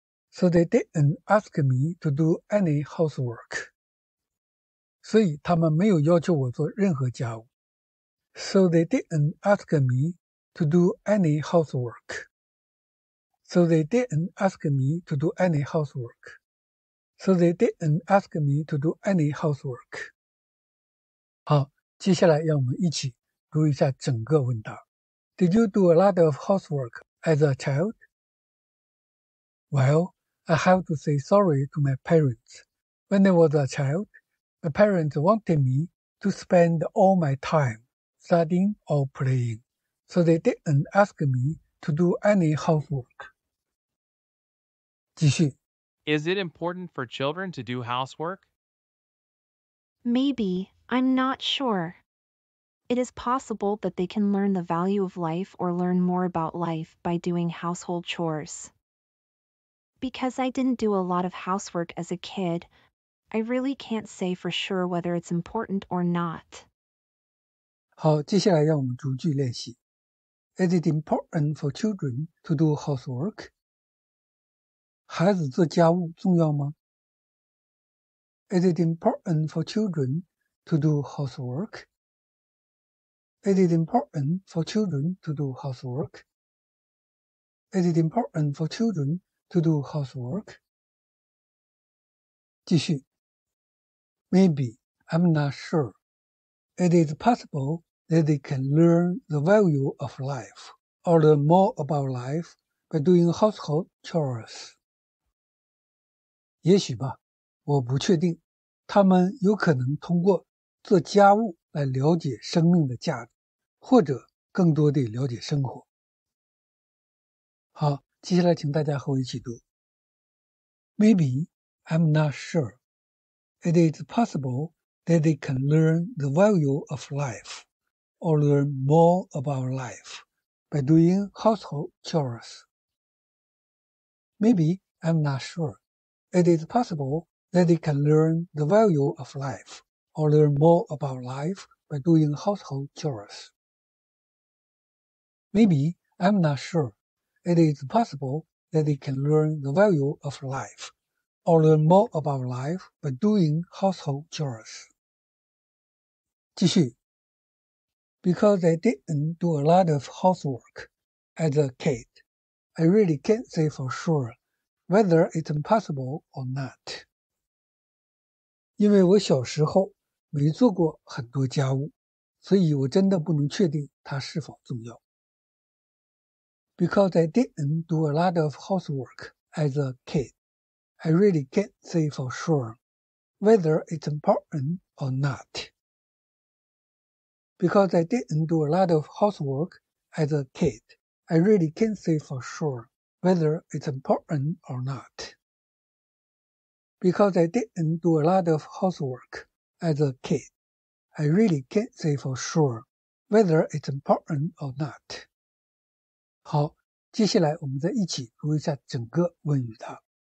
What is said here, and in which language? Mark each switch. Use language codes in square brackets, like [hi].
[en] So they didn't ask me to do any housework. [zh] 所以他们没有要求我做任何家务。 [en] So they didn't ask me to do any housework. So they didn't ask me to do any housework. So they didn't ask me to do any housework. [zh] 好，接下来让我们一起读一下整个问答。 [en] Did you do a lot of housework as a child? Well, I have to say sorry to my parents. When I was a child, my parents wanted me to spend all my time studying or playing, so they didn't ask me to do any housework. [zh] 继续。 [en] Is it important for children to do housework? Maybe, I'm not sure. It is possible that they can learn the value of life or learn more about life by doing household chores. Because I didn't do a lot of housework as a kid, I really can't say for sure whether it's important or not. [zh] 好，接下来让我们逐句练习。 [en] Is it important for children to do housework? [zh] 孩子做家务重要吗？ [en] Is it important for children to do housework? Is it important for children to do housework? Is it important for children to do housework? [zh] 继续。 [en] Maybe, I'm not sure. It is possible that they can learn the value of life or learn more about life by doing household chores. [zh] 也许吧，我不确定，他们有可能通过做家务来了解生命的价值。或者更多地了解生活。好，接下来请大家和我一起读。 [en] Maybe, I'm not sure. It is possible that they can learn the value of life or learn more about life by doing household chores. Maybe, I'm not sure. It is possible that they can learn the value of life or learn more about life by doing household chores. Maybe, I'm not sure. It is possible that they can learn the value of life or learn more about life by doing household chores. [zh] 继续。 [en] Because I didn't do a lot of housework as a kid, I really can't say for sure whether it's impossible or not. [zh] 因为我小时候没做过很多家务，所以我真的不能确定它是否重要。 [en] Because I didn't do a lot of housework as a kid, I really can't say for sure whether it's important or not. Because I didn't do a lot of housework as a kid, I really can't say for sure whether it's important or not. Because I didn't do a lot of housework as a kid, I really can't say for sure whether it's important or not. [zh] 好，接下来我们再一起读一下整个问语答。